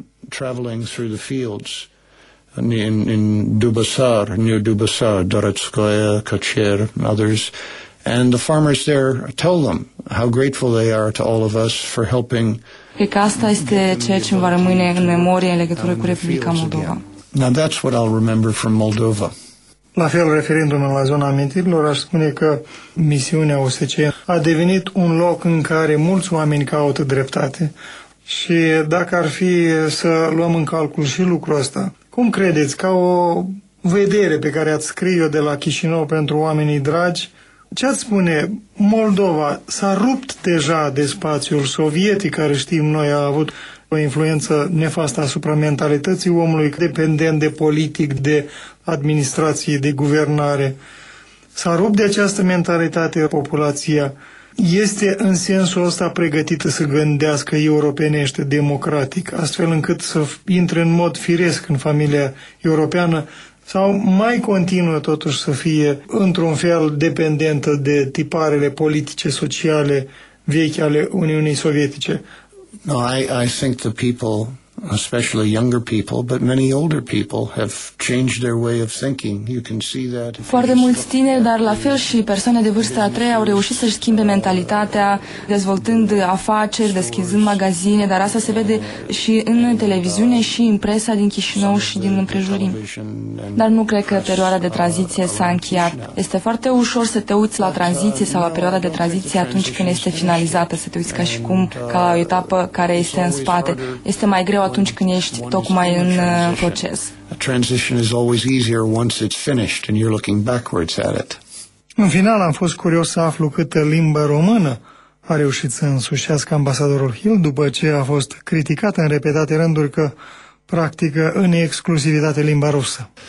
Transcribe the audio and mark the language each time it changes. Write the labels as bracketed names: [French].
[English] Traveling through the fields in Dubasar, near Dubasar, Dorotskaya, Kocher, others, and the farmers there tell them how grateful they are to all of us for helping. [Romanian] Cred că asta este ceea ce îmi va rămâne în memorie în legătură cu Republica Moldova. [English] Now that's what I'll remember from Moldova. [Romanian] La fel, referindu-mă la zona amintirilor, aș spune că misiunea OSCE a devenit un loc în care mulți oameni caută dreptate. Și dacă ar fi să luăm în calcul și lucrul ăsta, cum credeți, ca o vedere pe care ați scris-o de la Chișinău pentru oamenii dragi, ce ați spune, Moldova s-a rupt deja de spațiul sovietic, care știm noi a avut o influență nefastă asupra mentalității omului, dependent de politic, de administrație, de guvernare, s-a rupt de această mentalitate populația? Este în sensul ăsta pregătită să gândească europenește, democratic, astfel încât să intre în mod firesc în familia europeană sau mai continuă totuși să fie într-un fel dependentă de tiparele politice, sociale, vechi ale Uniunii Sovietice? [English] No, I think the people, especially younger people, but many older people have changed their way of thinking. You can see that. [Romanian] Foarte mulți tineri, dar la fel și persoane de vârstă a treia, au reușit să-și schimbe mentalitatea, dezvoltând afaceri, deschizând magazine, dar asta se vede și în televiziune și în presa din Chișinău și din împrejurimi. Dar nu cred că perioada de tranziție s-a încheiat. Este foarte ușor să te uiți la tranziție sau la perioada de tranziție atunci când este finalizată, să te uiți ca și cum ca la o etapă care este în spate. Este mai greu atunci când ești tocmai în proces. [English] A transition is always easier once it's finished and you're looking backwards at it. [Romanian] În final am fost curios să aflu câtă limbă română a reușit să însușească ambasadorul Hill după ce a fost criticat în repetate rânduri că practică în exclusivitate limba rusă.